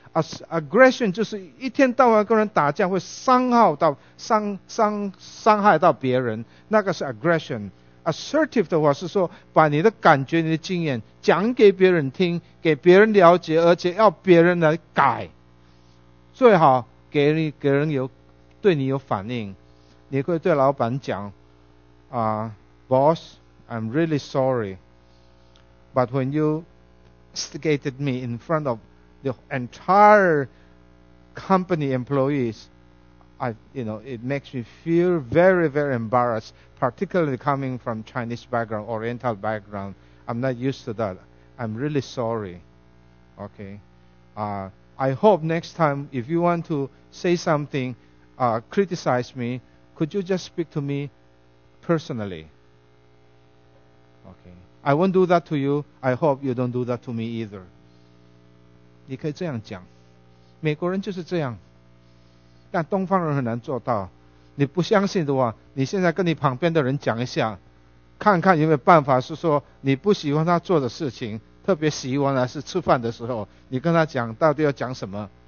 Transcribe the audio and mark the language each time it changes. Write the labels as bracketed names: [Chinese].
[Chinese] aggression 就是一天到晚跟人打架，会伤害到别人，那个是 aggression。 assertive 的话是说把你的感觉你的经验讲给别人听，给别人了解，而且要别人来改，最好给人有对你有反应。你可以对老板讲， [English] Boss, I'm really sorry, but when you instigated me in front of the entire company employees, it makes me feel very, very embarrassed, particularly coming from Chinese background, Oriental background. I'm not used to that. I'm really sorry. Okay. I hope next time, if you want to say something, criticize me,Could you just speak to me personally? Okay. I won't do that to you. I hope you don't do that to me either. [Chinese] 你可以这样讲，美国人就是这样，但东方人很难做到。你不相信的话，你现在跟你旁边的人讲一下，看看有没有办法是说你不喜欢他做的事情，特别喜欢还是吃饭的时候，你跟他讲到底要讲什么。